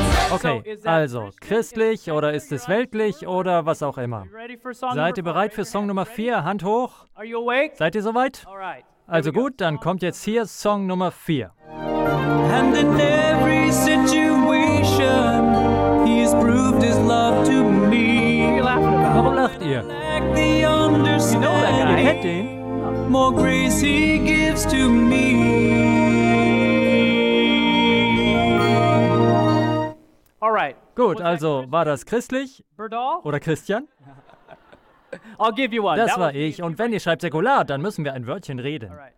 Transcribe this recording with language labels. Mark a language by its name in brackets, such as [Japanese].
[German] Okay, also, christlich oder ist es weltlich oder was auch immer. Seid ihr bereit für Song Nummer 4? Hand hoch. Seid ihr soweit? Also gut, dann kommt jetzt hier Song Nummer 4. [English] And in every situation he's proved his love to me. [German] Warum lacht ihr? Ihr kennt ihn. [English] More grace he gives to me. All right. [German] Gut, also war das christlich oder Christian? [English] I'll give you one. [German] Das war ich. Und wenn ihr schreibt säkular, dann müssen wir ein Wörtchen reden.